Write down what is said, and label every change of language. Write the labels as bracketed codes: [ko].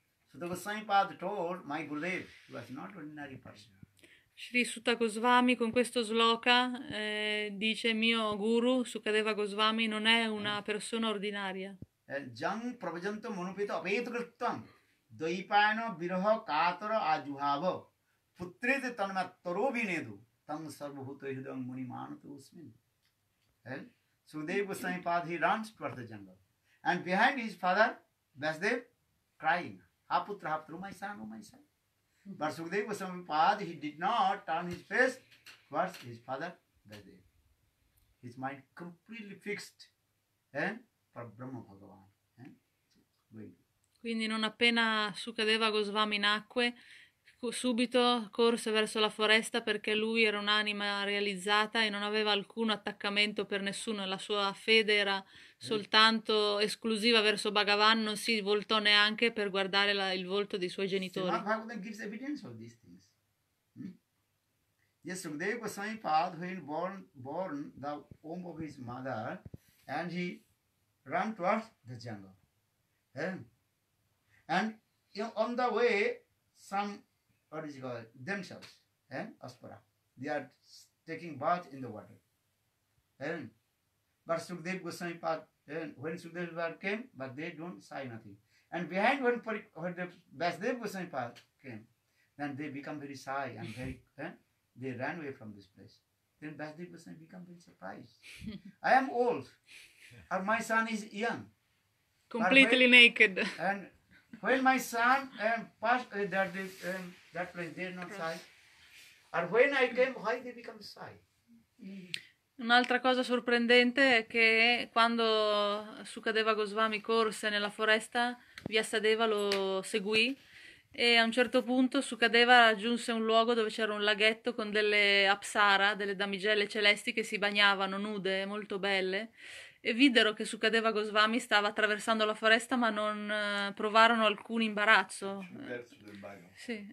[en] So the Goswami Pad told my Gurudev, he was not ordinary person. [it] Shri Suta Goswami con questo sloka dice mio guru Sukadeva Goswami non è una persona ordinaria. [sa] Jang pravajanta manupita apetukrittam daipayana viraha katara ajuhava putriti tanma tarobhinedu tam sarvabhuta hidam muni manato usmin. [en] Sukadeva Goswami Pad, he runs towards the jungle. And behind his father, Vyasadeva, crying, [sa] haputra haputra, [en] my son. But Sukadeva Goswami Pad, he did not turn his face towards his father, Vyasadeva. His mind completely fixed for Brahma Bhagavan. [it] Quindi non appena Sukadeva Goswami nacque, subito corse verso la foresta perché lui era un'anima realizzata e non aveva alcun attaccamento per nessuno. La sua fede era soltanto esclusiva verso Bhagavan, non si voltò neanche per guardare la, il volto dei suoi genitori. [en] Srimad Bhagavatam gives evidence of these things. Yes, Sukadeva Goswami Pad, when born the womb of his mother, and he ran towards the jungle. And you know, on the way, some, what is it called, themselves, Aspara, they are taking bath in the water. But Sukadeva Goswami Pad, when Sukadeva came, but they don't say nothing. And behind when Vyasadeva Goswami Pad came, then they become very shy and very, they ran away from this place. Then Vyasadeva Goswami become very surprised. I am old, or my son is young. Completely when, naked. And when my son passed that place, they are not shy. Or when I came, why they become shy? [it] Un'altra cosa sorprendente è che quando Sukadeva Goswami corse nella foresta, Vyasadeva lo seguì e a un certo punto Sukadeva raggiunse un luogo dove c'era un laghetto con delle apsara, delle damigelle celesti che si bagnavano nude, molto belle, e videro che Sukadeva Goswami stava attraversando la foresta ma non provarono alcun imbarazzo. Sì.